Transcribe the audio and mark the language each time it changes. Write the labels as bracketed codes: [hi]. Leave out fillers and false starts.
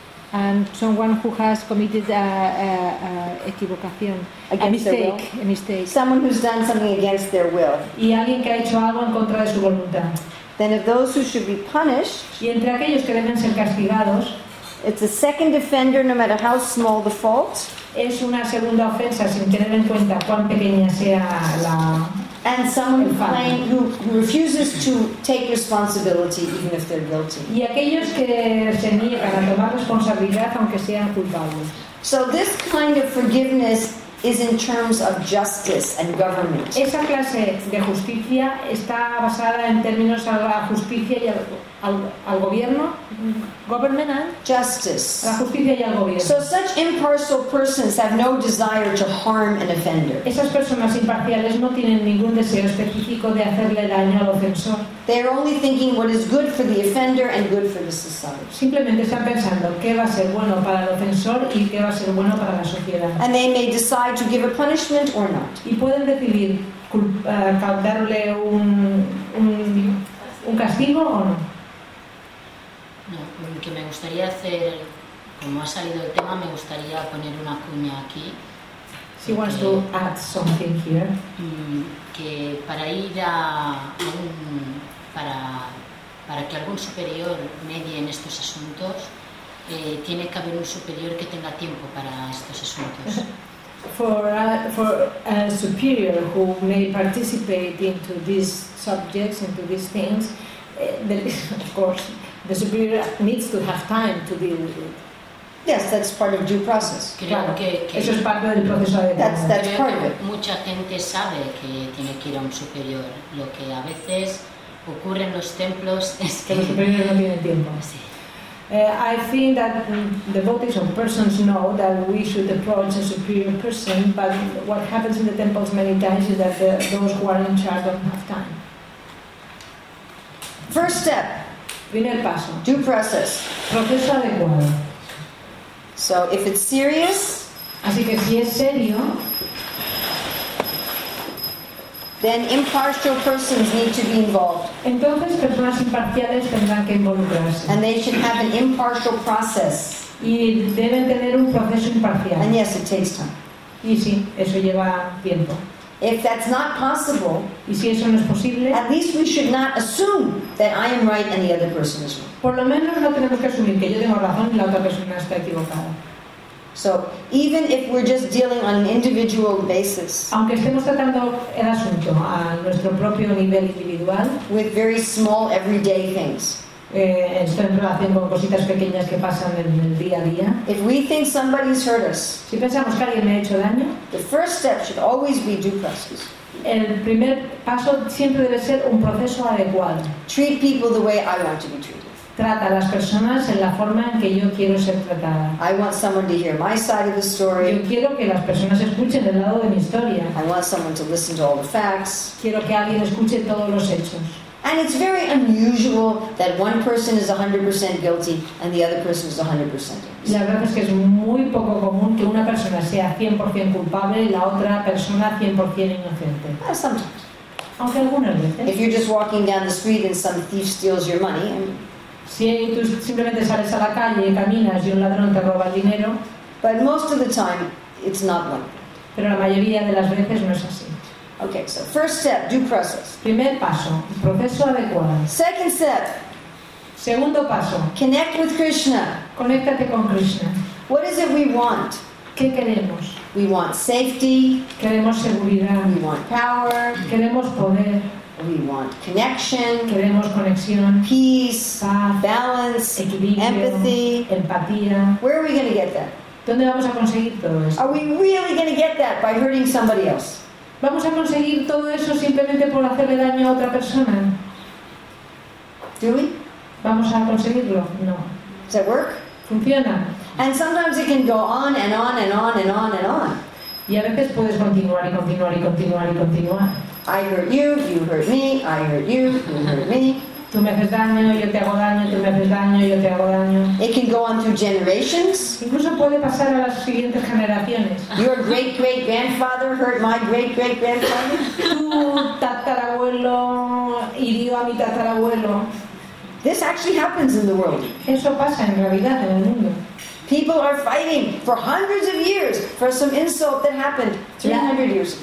[en] And someone who has committed a equivocación, a mistake. Someone who's done something against their will. [es] Y alguien que ha hecho algo en contra de su voluntad. [en] Then of those who should be punished. [es] Y entre aquellos que deben ser castigados. [en] It's a second offender, no matter how small the fault. [es] Es una segunda ofensa sin tener en cuenta cuán pequeña sea la. [en] And someone who refuses to take responsibility, even if they're guilty. [es] Y aquellos que se niegan a tomar responsabilidad, aunque sean culpables. [en] So this kind of forgiveness is in terms of justice and government. [es] Esa clase de justicia está basada en términos a la justicia y al gobierno. [en] Government and justice. [es] La justicia y al gobierno. [en] So such impartial persons have no desire to harm an offender. [es] Esas personas imparciales no tienen ningún deseo específico de hacerle daño al ofensor. [en] They are only thinking what is good for the offender and good for the society. [es] Simplemente están pensando qué va a ser bueno para el ofensor y qué va a ser bueno para la sociedad. [en] And they may decide to give a punishment or not. [es] Y pueden decidir darle un castigo o no. No, que me gustaría hacer, como ha salido el tema, me gustaría poner una cuña aquí. [en] She wants to add something here. [es] Que para ir a un, para que algún superior medie en estos asuntos, tiene que haber un superior que tenga tiempo para estos asuntos. [en] For a superior who may participate into these subjects, into these things, of course. The superior needs to have time to deal with it. Yes, that's part of due process. [es] Claro. Que eso es parte del proceso de. [en] That's part of it. [es] Mucha gente sabe que tiene que ir a un superior. Lo que a veces ocurre en los templos es que los superiores no tienen tiempo. Sí. [en] I think that devotees or persons know that we should approach a superior person, but what happens in the temples many times is that those who are in charge don't have time. First step. [es] Primer paso. [en] Due process. [es] Proceso adecuado. [en] So if it's serious, [es] así que si es serio, [en] then impartial persons need to be involved. [es] Entonces personas imparciales tendrán que involucrarse. [en] And they should have an impartial process. [es] Y deben tener un proceso imparcial. [en] And yes, it takes time. [es] Y sí, eso lleva tiempo. [en] If that's not possible, [es] y si eso no es posible, [en] at least we should not assume that I am right and the other person is wrong. [es] Por lo menos no tenemos que asumir que yo tengo razón y la otra persona está equivocada. [en] So, even if we're just dealing on an individual basis, [es] aunque estemos tratando el asunto a nuestro propio nivel individual, [en] with very small everyday things, [es] esto en relación con cositas pequeñas que pasan en el día a día. [en] If we think somebody's hurt us, [es] si pensamos que alguien me ha hecho daño, [en] the first step should always be due process. [es] El primer paso siempre debe ser un proceso adecuado. [en] Treat people the way I want to be treated. [es] Trata a las personas en la forma en que yo quiero ser tratada. [en] I want someone to hear my side of the story. [es] Yo quiero que las personas escuchen el lado de mi historia. [en] I want someone to listen to all the facts. [es] Quiero que alguien escuche todos los hechos. [en] And it's very unusual that one person is 100% guilty and the other person is 100% innocent. [es] La verdad es que es muy poco común que una persona sea 100% culpable y la otra persona 100% inocente. [en] Sometimes. [es] Aunque algunas veces. [en] If you're just walking down the street and some thief steals your money. [es] Si tú simplemente sales a la calle y caminas y un ladrón te roba el dinero. [en] But most of the time, it's not like that. [es] Pero la mayoría de las veces no es así. [en] Okay, so first step, due process. [es] Primer paso, proceso adecuado. [en] Second step, [es] Segundo paso. [en] Connect with Krishna. [es] Conéctate con Krishna. [en] What is it we want? [es] ¿Qué queremos? [en] We want safety. [es] Queremos seguridad. [en] We want power. [es] Queremos poder. [en] We want connection. [es] Queremos conexión. [en] Peace. [es] Paz, [en] balance. [es] Equilibrio. [en] Empathy. [es] Empatía. [en] Where are we going to get that? [es] ¿Dónde vamos a conseguir todo eso? [en] Are we really going to get that by hurting somebody else? [es] ¿Vamos a conseguir todo eso simplemente por hacerle daño a otra persona? [en] Do we? [es] ¿Vamos a conseguirlo? No. [en] Does that work? [es] Funciona. [en] And sometimes it can go on and on and on and on and on. [es] Y a veces puedes continuar y continuar y continuar y continuar. [en] I hurt you, you hurt me, I hurt you, you hurt me. [es] Tú me haces daño, yo te hago daño, tú me haces daño, yo te hago daño. [en] It can go on through generations. [es] Incluso puede pasar a las siguientes generaciones. [en] Your great great grandfather hurt my great great grandfather. [es] Tu tatarabuelo hirió a mi tatarabuelo. [en] This actually happens in the world. [es] Eso pasa en realidad en el mundo. [en] People are fighting for hundreds of years for some insult that happened 300 years.